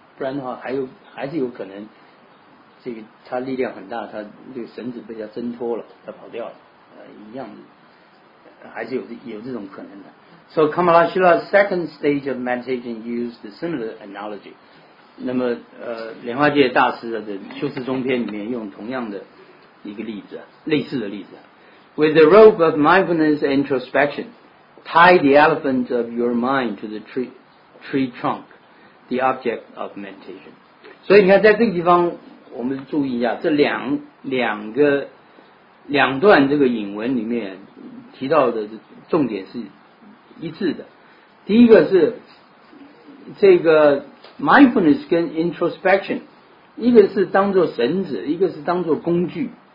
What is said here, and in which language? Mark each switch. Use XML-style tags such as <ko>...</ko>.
<zh>不然的话，还是有可能，这个他力量很大，他这个绳子被他挣脱了，他跑掉了，一样还是有这种可能的。</zh> <en>So Kamalashila's second stage of meditation used a similar analogy.</en> <zh>那么莲花界大师的修持中篇里面用同样的一个例子，类似的例子。</zh> <en>With the rope of mindfulness and introspection, tie the elephant of your mind to the tree trunk, the object of meditation.</en> <zh>所以你看在这个地方我们注意一下，这两段这个引文里面提到的重点是一致的。第一个是这个 mindfulness 跟 introspection， 一个是当作绳子，一个是当作工具，</zh>